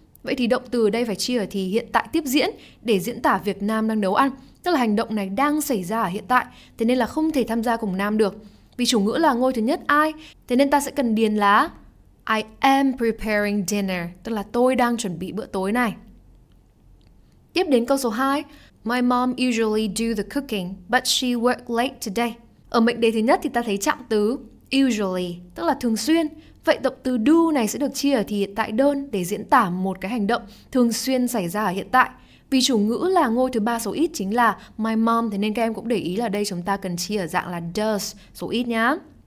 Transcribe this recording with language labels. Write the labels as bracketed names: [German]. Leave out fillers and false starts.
[Vietnamese] Vậy thì động từ ở đây phải chia ở thì hiện tại tiếp diễn để diễn tả việc Nam đang nấu ăn. Tức là hành động này đang xảy ra ở hiện tại, thế nên là không thể tham gia cùng Nam được. Vì chủ ngữ là ngôi thứ nhất I, thế nên ta sẽ cần điền là [English] I am preparing dinner, [Vietnamese] tức là tôi đang chuẩn bị bữa tối này. Tiếp đến câu số 2, [English] my mom usually do the cooking, but she worked late today. [Vietnamese] Ở mệnh đề thứ nhất thì ta thấy trạng từ usually, tức là thường xuyên. Vậy động từ do này sẽ được chia ở thì hiện tại đơn để diễn tả một cái hành động thường xuyên xảy ra ở hiện tại. Vì chủ ngữ là ngôi thứ ba số ít chính là my mom, thế nên các em cũng để ý là đây chúng ta cần chia ở dạng là does số ít nhá.